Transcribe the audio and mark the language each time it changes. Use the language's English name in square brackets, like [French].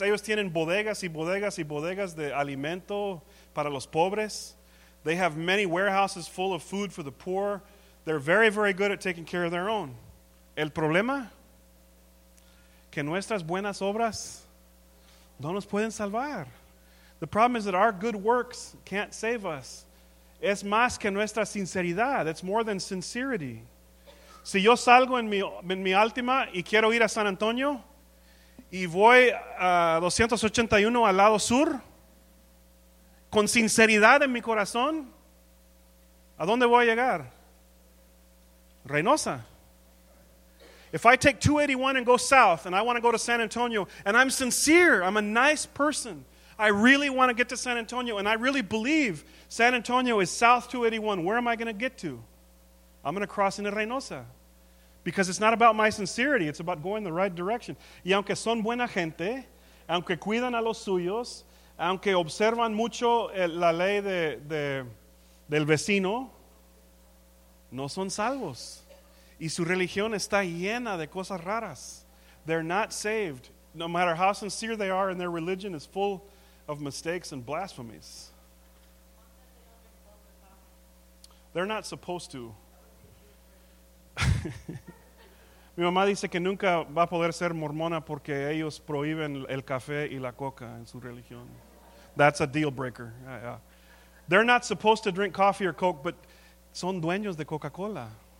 [Spanish] Ellos tienen bodegas y bodegas y bodegas de alimento para los pobres. [English] They have many warehouses full of food for the poor. They're very, very good at taking care of their own. [Spanish] El problema, que nuestras buenas obras no nos pueden salvar. [English] The problem is that our good works can't save us. [Spanish] Es más que nuestra sinceridad. [English] It's more than sincerity. [Spanish] Si yo salgo en mi última y quiero ir a San Antonio y voy a 281 al lado sur, con sinceridad en mi corazón, ¿a dónde voy a llegar? Reynosa. [English] If I take 281 and go south and I want to go to San Antonio and I'm sincere, I'm a nice person, I really want to get to San Antonio and I really believe San Antonio is south 281, where am I going to get to? I'm going to cross into Reynosa. Because it's not about my sincerity, it's about going the right direction. [Spanish] Y aunque son buena gente, aunque cuidan a los suyos, aunque observan mucho la ley del vecino, no son salvos. Y su religión está llena de cosas raras. [English] They're not saved. No matter how sincere they are, and their religion is full of mistakes and blasphemies. They're not supposed to. [Spanish] Mi mamá dice que nunca va a poder ser mormona porque ellos prohíben el café y la coca en su religión. [English] That's a deal breaker. Yeah. They're not supposed to drink coffee or coke, but [Spanish] son dueños de Coca-Cola.